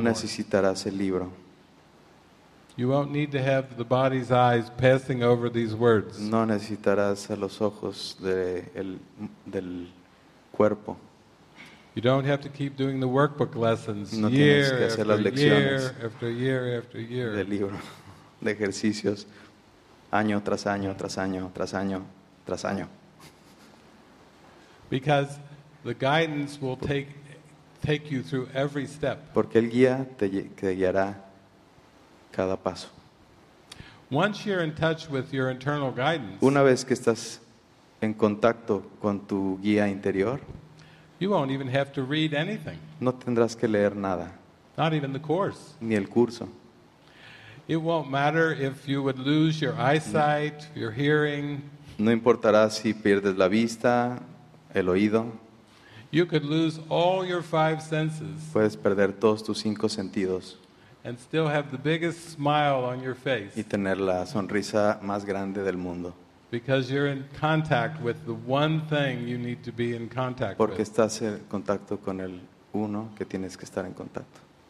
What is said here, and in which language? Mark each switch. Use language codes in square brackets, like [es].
[es] No necesitarás el libro. [en] You won't need to have the body's eyes passing over these words. [es] No necesitarás a los ojos del cuerpo. [en] You don't have to keep doing the workbook lessons [es] no [en] year, [es] tienes que hacer [en] after [es] las lecciones [en] year after year after year. [es] Del libro, de ejercicios, año tras año, tras año, tras año, tras año. [en] Because the guidance will take you through every step. [es] Porque el guía te guiará cada paso. [en] Once you're in touch with your internal guidance, [es] una vez que estás en contacto con tu guía interior, [en] you won't even have to read anything. [es] No tendrás que leer nada. [en] Not even the course. [es] Ni el curso. [en] It won't matter if you would lose your eyesight, your hearing. [es] No importará si pierdes la vista, el oído. [en] You could lose all your five senses. [es] Puedes perder todos tus cinco sentidos. [en] And still have the biggest smile on your face. [es] Y tener la sonrisa más grande del mundo. [en] Because you're in contact with the one thing you need to be in contact with. [es] Porque estás en contacto con el uno que tienes que estar en contacto.